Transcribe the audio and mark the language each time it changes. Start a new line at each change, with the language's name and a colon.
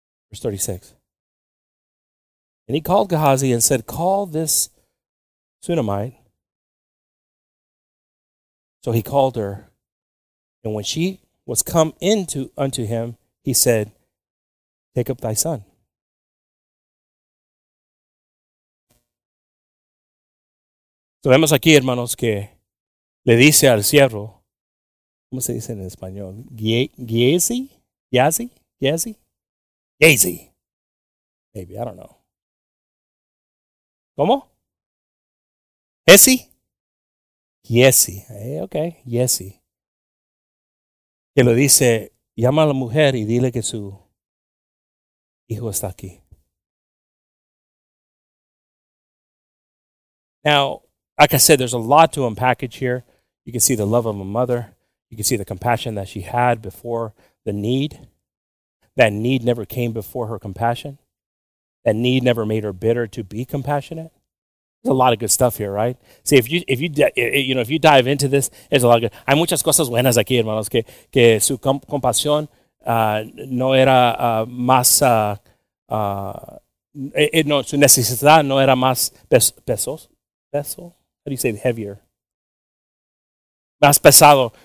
English: Verse 36. And he called Gehazi and said, call this Shunammite. So he called her. And when she was come unto him, he said, take up thy son.
Spanish: So vemos aquí, hermanos, que le dice al siervo, ¿cómo se dice en español?
English: Gehazi? Gehazi? Gehazi? Gehazi. Maybe, I don't know.
Spanish: ¿Cómo? Gehazi? Gehazi.
English: Hey, okay, Gehazi.
Spanish: Que le dice, llama a la mujer y dile que su hijo está aquí.
English: Now, like I said, there's a lot to unpackage here. You can see the love of a mother. You can see the compassion that she had before the need. That need never came before her compassion. That need never made her bitter to be compassionate. There's a lot of good stuff here, right? See, if you dive into this, there's a lot of good.
Spanish: Hay muchas cosas buenas aquí, hermanos, que su compasión no era más. No, su necesidad no era más peso.
English: How do you say heavier?
Spanish: Más pesado.